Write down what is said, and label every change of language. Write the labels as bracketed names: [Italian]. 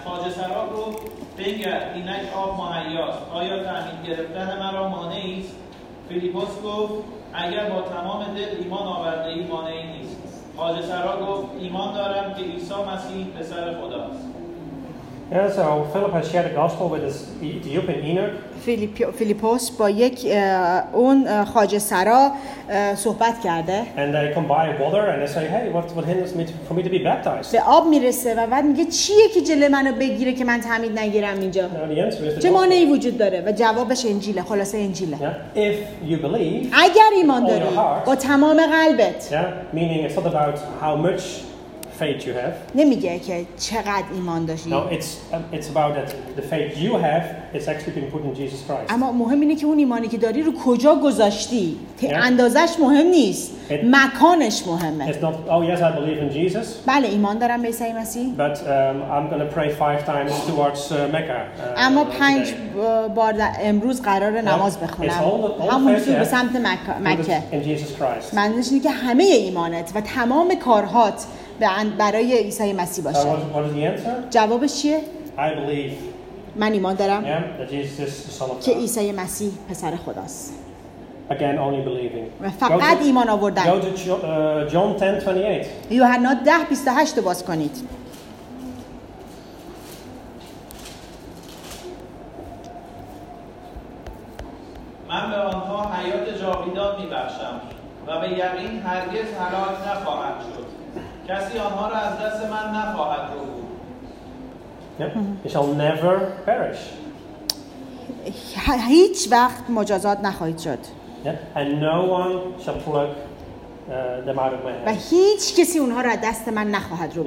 [Persian] خواجه سراغ رو بنگر اینک آب مهیاست. آیا تعمید گرفتن مرا مانعی است؟ فیلیپوس گفت اگر با تمام دل ایمان آورده ای مانعی نیست. [English] Yeah, so Philip has shared the gospel with his Ethiopian eunuch. [Persian] فیلیپوس با یک اون خواجه سرا صحبت کرده. [English] And they come by water and they say, hey, what hinders me for me to be baptized? [Persian] به آب میرسه و بعد میگه چیه که جلوی منو بگیره که من تعمید نگیرم اینجا؟ چه مانعی وجود داره؟ و جوابش انجیله، خلاصه انجیله. [English] Yeah. If you believe, [Persian] اگر ایمان داری با تمام قلبت. [English] Yeah, meaning it's not about how much faith you have. [Persian] نمیگه که چقدر ایمان داشتی. [English] No, it's about that the faith you have is actually being put in Jesus Christ. [Persian] اما مهم اینه که اون ایمانی که داری رو کجا گذاشتی. اندازش مهم نیست. مکانش مهمه. [English] It's not, oh yes, I believe in Jesus. [Persian] بله ایمان دارم به عیسی مسیح. [English] But I'm going to pray 5 times towards Mecca. [Persian] اما 5 بار امروز قرار نماز بخونم. همونجور به سمت مکه. [English] In Jesus Christ. [Persian] معنیش اینه که همه ایمانت و تمام کارهات برای عیسی مسیح باشه. جوابش چیه؟ من ایمان دارم که عیسی مسیح پسر خداست. [English] Again, only believing. [Persian] فقط ایمان آوردن. [English] Go to John 10:28. [Persian] یوحنا 10:28 باز کنید. من به آنها حیات جاودان می‌بخشم و به یقین هرگز هلاک نخواهند شد. کسی آنها را از دست من نخواهد ربود. [English] They shall never perish. [Persian] هیچ وقت مجازات نخواهید شد. [English] And no one shall pluck them out of my hand. [Persian] و هیچ کسی اونها را دست من نخواهد ربود.